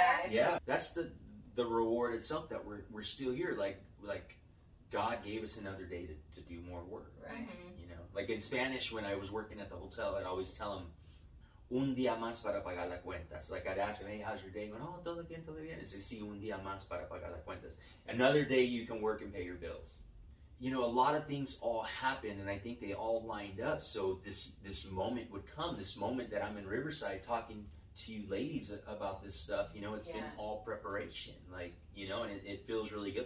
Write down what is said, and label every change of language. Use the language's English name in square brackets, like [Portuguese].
[English] Yeah, that's the reward itself, that we're still here. Like God gave us another day to do more work. Right. You know, like in Spanish, when I was working at the hotel, I'd always tell them, [Spanish] un día más para pagar las cuentas. [English] Like, I'd ask them, hey, how's your day? And they'd go, oh, [Spanish] todo bien. It's sí, un día más para pagar las cuentas. [English] Another day you can work and pay your bills. You know, a lot of things all happen, and I think they all lined up. So this moment would come, this moment that I'm in Riverside talking to you ladies about this stuff, you know, it's been all preparation, like, you know, and it feels really good.